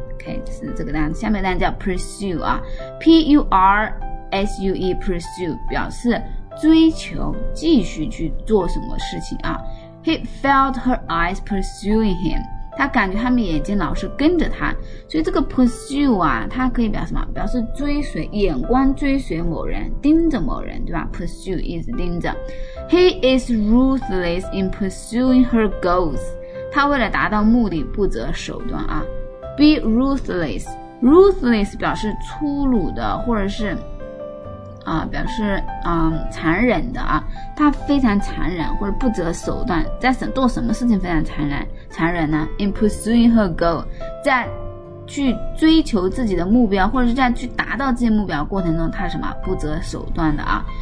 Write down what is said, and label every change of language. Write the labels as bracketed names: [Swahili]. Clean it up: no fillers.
[Chinese] Okay， 是这个单词，下面单词叫 pursue 啊 ，P-U-R-S-U-E pursue 表示追求，继续去做什么事情啊。 [English] He felt her eyes pursuing him， [Chinese] 他感觉他们眼睛老是跟着他，所以这个 pursue 啊，它可以表示什么？表示追随，眼光追随某人，盯着某人，对吧 ？pursue 一直盯着。 [English] He is ruthless in pursuing her goals， [Chinese] 他为了达到目的不择手段啊。 [English] Be ruthless， [Chinese] ruthless 表示粗鲁的，或者是表示残忍的啊。他非常残忍，或者不择手段，在做什么事情非常残忍呢 ？ [English] In pursuing her goal， [Chinese] 在去追求自己的目标，或者是在去达到自己目标过程中，他什么不择手段的啊。